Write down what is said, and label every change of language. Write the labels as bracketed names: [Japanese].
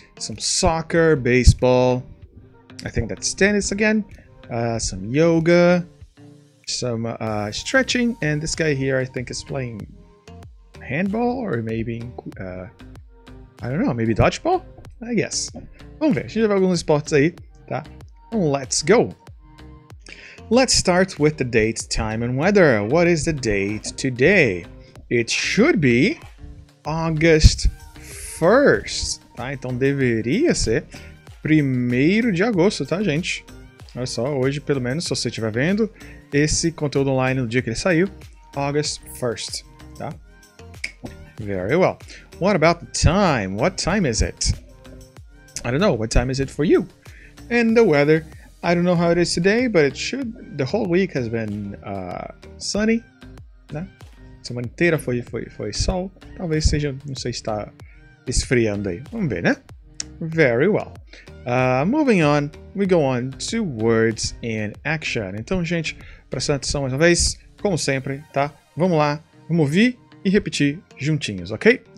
[English] Some soccer, baseball, I think that's tennis again, some yoga, some stretching, and this guy here I think is playing handball or maybe, I don't know, maybe dodgeball, I guess. [Portuguese] Vamos ver, a gente vai ver alguns esportes aí, tá? [English] Let's go. Let's start with the date, time and weather. What is the date today? It should be August 1st. Tá? [Portuguese] Então deveria ser 1º de agosto, tá, gente? Olha só, hoje, pelo menos, se você estiver vendo esse conteúdo online no dia que ele saiu, [English] August 1st, [Portuguese] tá? [English] Very well. What about the time? What time is it? I don't know. What time is it for you? And the weather, I don't know how it is today, but it should, the whole week has been sunny, né? [Portuguese] Semana inteira foi sol. Talvez seja, não sei se está esfriando aí. Vamos ver, né? [English] Very well. Moving on, we go on to words in action. [Portuguese] Então, gente, prestem atenção mais uma vez, como sempre, tá? Vamos lá, vamos ouvir e repetir juntinhos, ok?